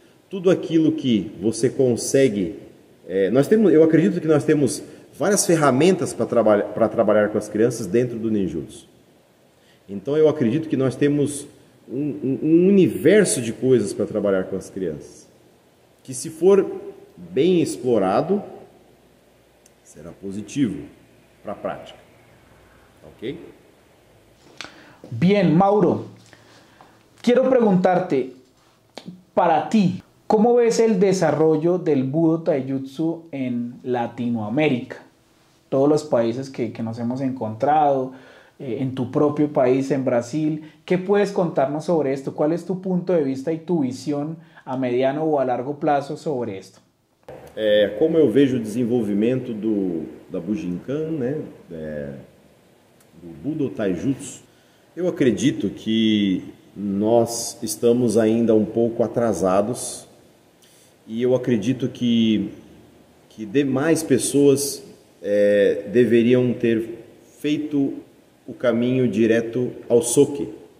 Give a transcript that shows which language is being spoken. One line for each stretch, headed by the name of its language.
Portuguese: Tudo aquilo que você consegue... eu acredito que nós temos várias ferramentas para trabalhar com as crianças dentro do ninjutsu. Então eu acredito que nós temos um universo de coisas para trabalhar com as crianças, que se for bem explorado, será positivo para a prática. Ok?
Spanish: Bien, Mauro, quiero preguntarte, para ti, ¿cómo ves el desarrollo del Budo Taijutsu en Latinoamérica? Todos los países que nos hemos encontrado, en tu propio país, en Brasil, ¿qué puedes contarnos sobre esto? ¿Cuál es tu punto de vista y tu visión a mediano o a largo plazo sobre esto?
Portuguese: Como eu vejo o desenvolvimento da Bujinkan, né? Do Budo Taijutsu, eu acredito que nós estamos ainda um pouco atrasados e eu acredito que demais pessoas deveriam ter feito o caminho direto ao Soke.